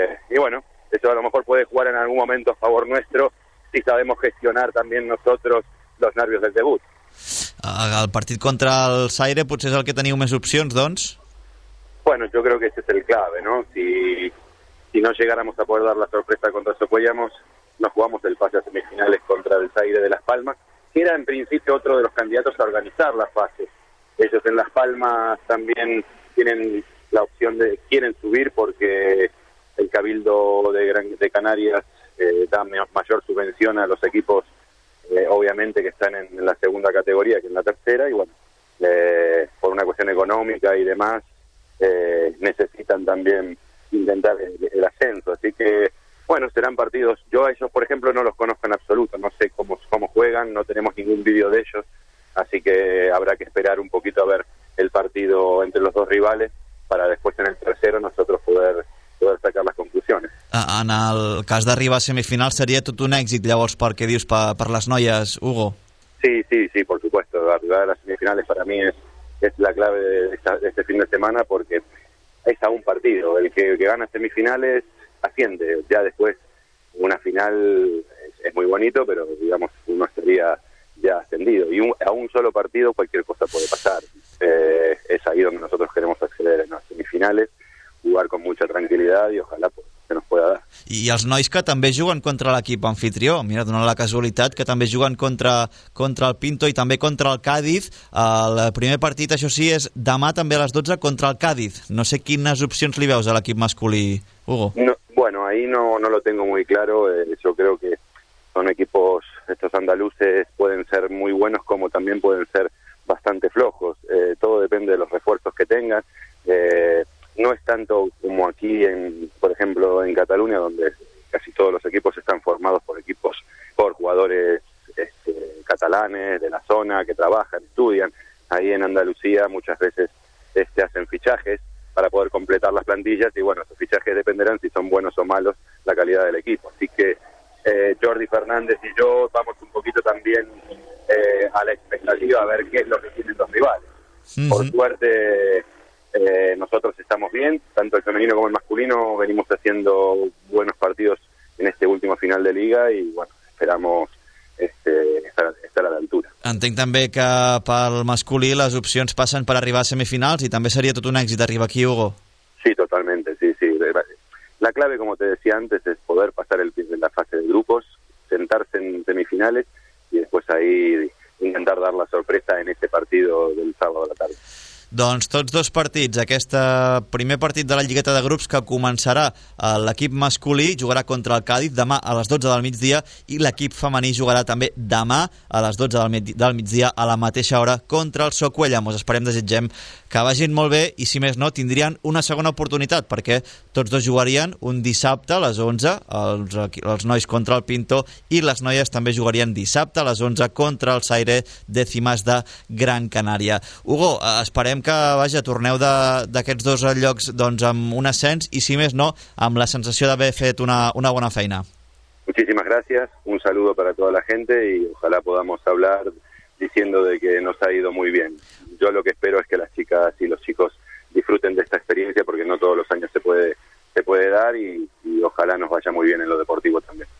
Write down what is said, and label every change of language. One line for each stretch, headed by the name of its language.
Spanish: Y bueno, eso a lo mejor puede jugar en algún momento a favor nuestro, si sabemos gestionar también nosotros los nervios del debut.
Catalan: El partit contra el Saire potser és el que teniu més opcions, doncs?
Spanish: Bueno, yo creo que ese es el clave, ¿no? Si no llegáramos a poder dar la sorpresa contra Socuéllamos, nos jugamos el pase a semifinales contra el Saire de Las Palmas, que era en principio otro de los candidatos a organizar la fase. Ellos en Las Palmas también tienen la opción de quieren subir porque el Cabildo de Canarias da mayor subvención a los equipos, obviamente, que están en la segunda categoría que en la tercera, y bueno, por una cuestión económica y demás, necesitan también intentar el ascenso. Así que, bueno, serán partidos. Yo a ellos, por ejemplo, no los conozco en absoluto. No sé cómo juegan, no tenemos ningún vídeo de ellos. Así que habrá que esperar un poquito a ver el partido entre los dos rivales para después en el tercero nosotros poder sacar las conclusiones.
Catalan: En el cas d'arribar a semifinal seria tot un èxit, llavors, per què dius, per les noies, Hugo?
Spanish: Sí, sí, sí, por supuesto. Arribar a las semifinales para mí es la clave de este fin de semana porque es a un partido. El que gana semifinales asciende, ya después una final es muy bonito, pero digamos uno estaría ya ascendido y a un solo partido cualquier cosa puede pasar. Es ahí donde nosotros queremos acceder en las semifinales, jugar con mucha tranquilidad y ojalá pues se nos pueda dar.
Catalan: I els nois que també juguen contra l'equip anfitrió, mira, donant la casualitat, que també juguen contra el Pinto i també contra el Cádiz, el primer partit, això sí, és demà també a les 12 contra el Cádiz. No sé quines opcions li veus a l'equip masculí, Hugo.
Spanish: Bueno, ahí no lo tengo muy claro. Yo creo que son equipos, estos andaluces pueden ser muy buenos como también pueden ser bastante flojos. Todo depende de los refuerzos que tengan. No es tanto como aquí, por ejemplo, en Cataluña, donde casi todos los equipos están formados por jugadores jóvenes de la zona que trabajan, estudian ahí en Andalucía, muchas veces hacen fichajes para poder completar las plantillas, y bueno, esos fichajes dependerán si son buenos o malos la calidad del equipo. Así que Jordi Fernández y yo vamos un poquito también a la expectativa, a ver qué es lo que tienen los rivales. Uh-huh. Por suerte, nosotros estamos bien, tanto el femenino como el masculino, venimos haciendo buenos partidos en este último final de liga, y bueno, esperamos estar
Catalan: a l'altura. Entenc també que pel masculí les opcions passen per arribar a semifinals, i també seria tot un èxit arribar aquí, Hugo.
Spanish: Sí, totalmente, sí. La clave, como te decía antes, es poder pasar la fase de grupos, sentarse en semifinales y después ahí intentar dar la sorpresa en este partido del sábado a la tarde.
Catalan: Doncs tots dos partits, aquest primer partit de la lligueta de grups que començarà l'equip masculí, jugarà contra el Càdiz demà a les 12 del migdia, i l'equip femení jugarà també demà a les 12 del migdia a la mateixa hora contra el Socuellamos. Esperem, desitgem que vagin molt bé, i si més no tindrien una segona oportunitat, perquè tots dos jugarien un dissabte a les 11, els nois contra el Pinto, i les noies també jugarien dissabte a les 11 contra el Saire de Cimas de Gran Canària. Hugo, esperem que, vaja, torneu d'aquests dos llocs doncs amb un ascens, i si més no amb la sensació d'haver fet una bona feina.
Spanish: Muchísimas gracias, un saludo para toda la gente, y ojalá podamos hablar diciendo de que nos ha ido muy bien. Yo lo que espero es que las chicas y los chicos disfruten de esta experiencia, porque no todos los años se puede dar, y ojalá nos vaya muy bien en lo deportivo también.